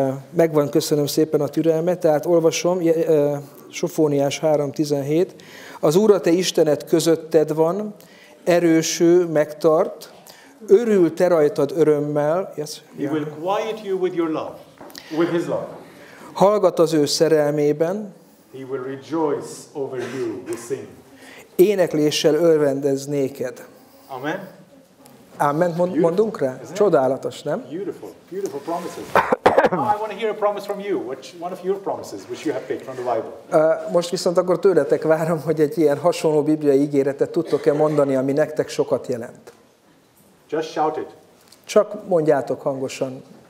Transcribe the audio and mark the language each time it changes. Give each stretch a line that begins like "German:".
Hungarian: Megvan, köszönöm szépen a türelmet, tehát olvasom, Sofóniás 3.17. Az Úr a te Istened közötted van, erőső, megtart, örül te rajtad örömmel.
English: Yes? Yeah. He will quiet you with your love, with his love.
Hungarian: Hallgat az ő szerelmében.
English: He will rejoice over you with sing.
Hungarian: Énekléssel örvendez néked. Amen. Amen. Mondunk rá? Csodálatos, nem?
English: Beautiful, beautiful promises. I want to hear a promise from you, which one of your promises, which you have picked from the Bible.
Hungarian: Most viszont akkor tőletek várom, hogy egy ilyen hasonló bibliai ígéretet tudtok-e mondani, ami nektek sokat jelent.
English: Just shout it.
Hungarian: Csak mondjátok hangosan.